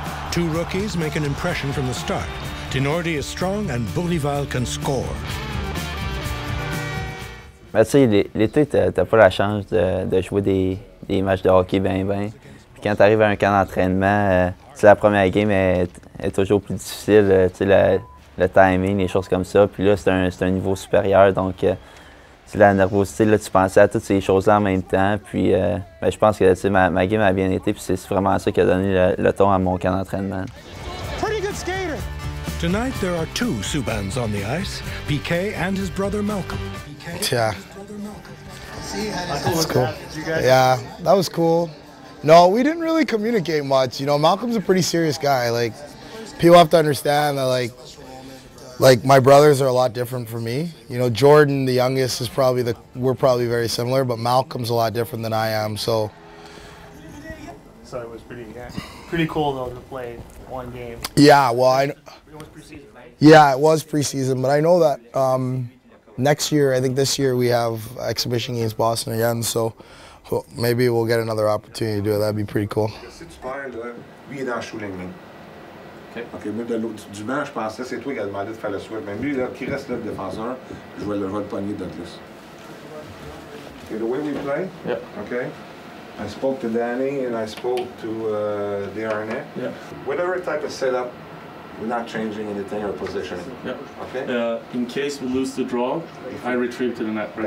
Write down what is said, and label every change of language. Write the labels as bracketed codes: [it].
[en] Two rookies make an impression from the start. Tinordi is strong and Bourival can score. [fr] Ben, tu sais, l'été, t'as pas la chance de jouer des matchs de hockey bien. Puis quand t'arrives à un camp d'entraînement, la première game est toujours plus difficile, tu sais, le timing, les choses comme ça. Puis là, c'est un niveau supérieur, donc la nervosité, là, tu pensais à toutes ces choses-là en même temps. Puis ben, je pense que ma game a bien été, puis c'est vraiment ça qui a donné le ton à mon camp d'entraînement. [en] Pretty good skater. Tonight, there are two Subans on the ice, PK and his brother Malcolm. Yeah. That's cool. Yeah, that was cool. No, we didn't really communicate much. You know, Malcolm's a pretty serious guy. Like, people have to understand that, like my brothers are a lot different from me. You know, Jordan, the youngest, is probably we're probably very similar, but Malcolm's a lot different than I am. So. So it was pretty cool though to play one game. Yeah. Well, I. It was preseason, right? Yeah, it was preseason, but I know that next year, I think this year we have exhibition games Boston again. So, well, maybe we'll get another opportunity to do it. That'd be pretty cool. [fr] OK, moi, de l'autre du banc, je pensais que c'est toi qui as demandé de faire le sweat. Mais lui, là, qui reste là, le défenseur, je vais le pogner de plus. [en] OK, the way we play? Yeah. OK. I spoke to Danny and I spoke to the RNA. Yeah. Whatever type of setup, we're not changing anything or positioning. Yeah. OK? In case we lose the draw, I retreat to the net, right?